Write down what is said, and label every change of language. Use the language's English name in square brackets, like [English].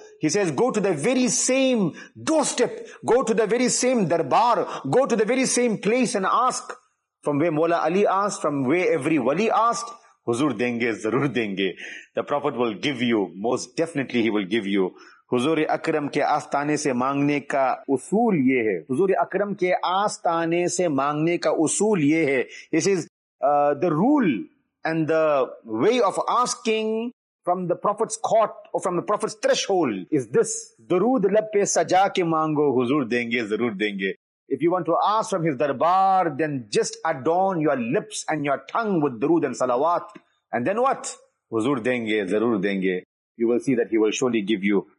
[English] He says, go to the very same doorstep, go to the very same darbar, go to the very same place and ask. From where Mola Ali asked, from where every wali asked, [Urdu] huzur denge, zarur denge. [English] The Prophet will give you, most definitely he will give you. [Urdu] حضور اکرم کے آستانے سے مانگنے کا اصول یہ ہے, حضور اکرم کے آستانے سے مانگنے کا اصول یہ ہے. [English] This is the rule and the way of asking from the Prophet's court or from the Prophet's threshold is this. [Urdu] درود لب پہ سجا کے مانگو, حضور دیں گے ضرور دیں گے. [English] If you want to ask from his darbar, then just adorn your lips and your tongue with درود and salawat. And then what? [Urdu] حضور دیں گے ضرور دیں گے. [English] You will see that he will surely give you.